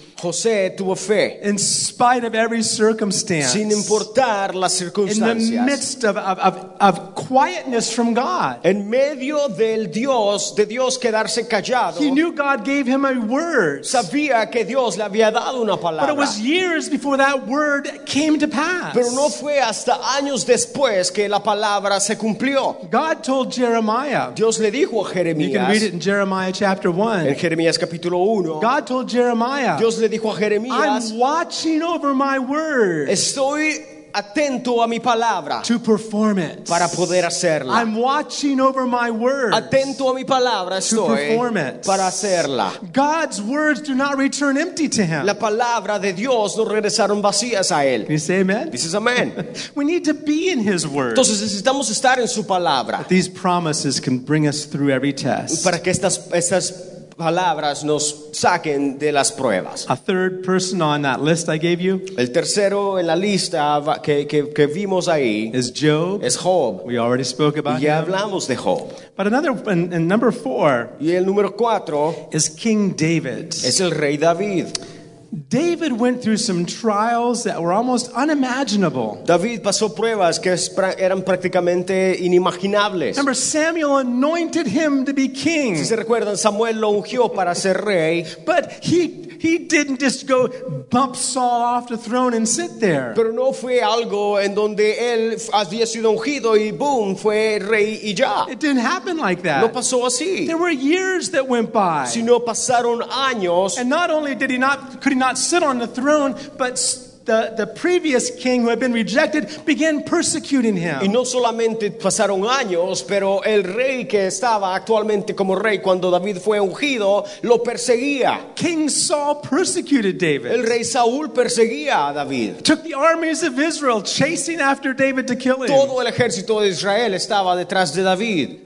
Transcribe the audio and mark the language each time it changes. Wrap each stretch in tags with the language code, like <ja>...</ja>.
<es>José tuvo fe.</es> <en>In spite of every circumstance.</en> <es>Sin importar las circunstancias.</es> <en>In the midst of quietness from God.</en> <es>En medio del Dios, de Dios quedarse callado.</es> <en>He knew God gave him a word.</en> <es>Sabía que Dios le había dado una palabra.</es> <en>But it was years before that word came to pass.</en> <es>Pero no fue hasta años después que la palabra se cumplió.</es> <en>God told Jeremiah.</en> <es>Dios le dijo a Jeremías.</es> <en>You can read it in Jeremiah chapter 1.</en> <es>En Jeremías capítulo 1.</es> <en>God told Jeremiah.</en> <es>Dios le dijo a Jeremías,</es> <en>I'm watching over my word.</en> <es>Estoy atento a mi palabra.</es> <en>To perform it.</en> <es>Para poder hacerla.</es> <en>I'm watching over my word.</en> <es>Atento a mi palabra estoy.</es> <en>To perform it.</en> <es>Para hacerla.</es> <en>God's words do not return empty to him.</en> <es>La palabra de Dios no regresaron vacías a él.</es> <en>You say amen? This is amen. We need to be in his word.</en> <es>Entonces necesitamos estar en su palabra.</es> <en>But these promises can bring us through every test.</en> <es>Para que estas palabras nos saquen de las pruebas.</es> <en>A third person on that list I gave you.</en> <es>El tercero en la lista que vimos ahí</es> <en>is Job.</en> <es>Es Job.</es> <en>We already spoke about</en> <es>him. Ya hablamos de Job.</es> <en>But another, and number four.</en> <es>Y el número cuatro</es> <en>is King David.</en> <es>Es el rey David.</es> <en>David went through some trials that were almost unimaginable.</en> <es>David pasó pruebas que eran prácticamente inimaginables.</es> <en>Remember, Samuel anointed him to be king.</en> <es>Si se recuerdan, Samuel lo ungió para ser rey.</es> <en>But he didn't just go bump Saul off the throne and sit there.</en> <es>Pero no fue algo en donde él había sido ungido y boom, fue rey y ya.</es> <en>It didn't happen like that.</en> <es>No pasó así.</es> <en>There were years that went by.</en> <es>Sino pasaron años.</es> <en>And not only did he not, could he not sit on the throne, but the previous king who had been rejected began persecuting him.</en> <es>Y no solamente pasaron años, pero el rey que estaba actualmente como rey cuando David fue ungido lo perseguía.</es> <en>King Saul persecuted David.</en> <es>El rey Saúl perseguía a David.</es> <en>Took the armies of Israel chasing after David to kill him.</en> <es>Todo el ejército de Israel estaba detrás de David.</es>